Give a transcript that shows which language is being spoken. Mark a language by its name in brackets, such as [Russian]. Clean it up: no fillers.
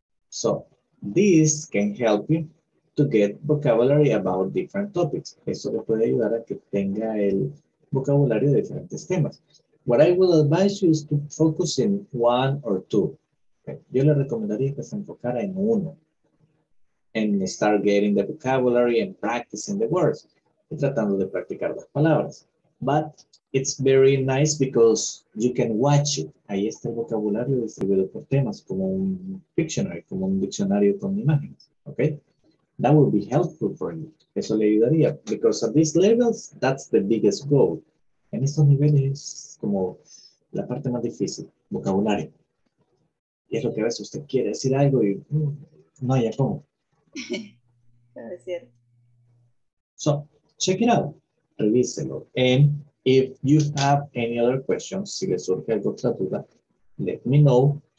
[English] So, this can help you to get vocabulary about different topics. [Spanish] Eso le puede ayudar a que tenga el vocabulario de diferentes temas. [English] What I will advise you is to focus in one or two. Okay. [Spanish] Yo le recomendaría que se enfocara en uno. [English] And start getting the vocabulary and practicing the words. [Spanish] Y tratando de practicar las palabras. [English] But it's very nice because you can watch it. [Spanish] Ahí está el vocabulario distribuido por temas, como un dictionary, como un diccionario con imágenes. [English] Okay? That would be helpful for you. [Spanish] Eso le ayudaría. [English] Because at these levels, that's the biggest goal. [Spanish] En estos niveles es como la parte más difícil, vocabulario. Y es lo que a veces usted quiere decir algo y no haya cómo. Es cierto. [English] So, check it out. [Spanish] Revíselo. [English] And if you have any other questions, [Spanish] si le surge alguna otra duda, [English] let me know.